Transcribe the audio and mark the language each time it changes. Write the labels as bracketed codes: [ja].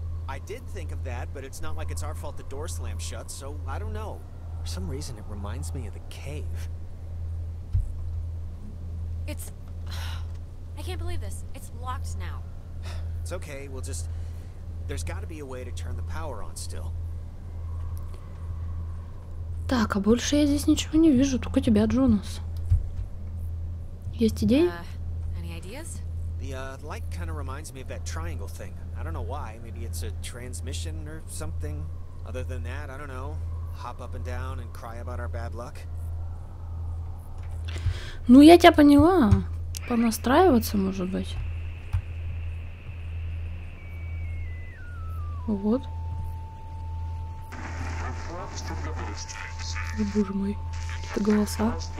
[en] I did think of that, but it's not like it's our fault the door slammed shut, so I don't know. For some reason, it reminds me of the cave. It's... I can't believe this. It's locked now. It's okay. We'll just... There's got to be a way to turn the power on still. [ru] Так, а больше я здесь ничего не вижу, только тебя, Джонас. Есть идеи? [en] Any ideas? The light kind of reminds me of that triangle thing. I don't know why. Maybe it's a transmission or something. Other than that, I don't know. Hop up and down and cry about our bad luck. [ru] Ну я тебя поняла. Понастраиваться, может быть. Вот. О, боже мой, это голоса.